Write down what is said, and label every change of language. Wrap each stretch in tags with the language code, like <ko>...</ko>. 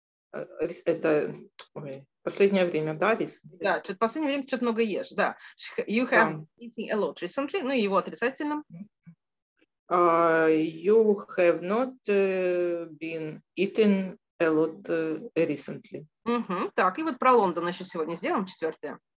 <ru>Это последнее время, да, рис? Да, что-то последнее время что-то много ешь, да.</ru> <en>You have eating a lot recently,</en> <ru>ну и его отрицательным.</ru> <en>You have not been eating a lot recently.</en> <ru>Так, и вот про Лондон еще сегодня сделаем, четвертое.</ru>